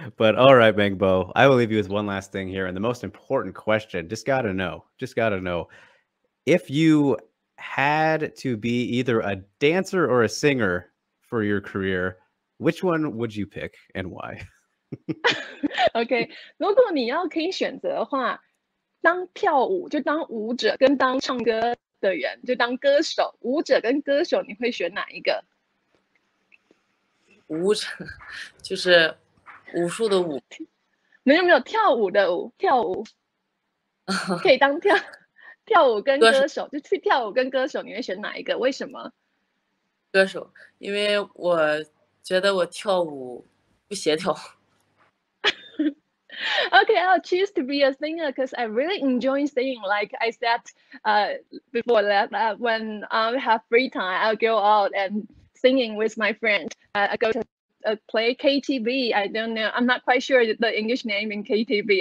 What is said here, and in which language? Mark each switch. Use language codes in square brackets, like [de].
[en] But all right, Meng Bo, I will leave you with one last thing here. And the most important question, just got to know, if you had to be either a dancer or a singer for your career, which one would you pick and why? Okay. [zh] 如果你要可以选择的话，当跳舞，就当舞者，跟当唱歌的人，就当歌手，舞者跟歌手，你会选哪一个？舞者，就是武术的舞。没有没有，跳舞的舞，跳舞可以当跳跳舞跟歌手，就去跳舞跟歌手，你会选哪一个？为什么？歌手，因为我觉得我跳舞不协调。 [en] Okay, I'll choose to be a singer because I really enjoy singing. Like I said before that, when I have free time, I'll go out and singing with my friend. I go to play KTV. I don't know. I'm not quite sure the English name in KTV.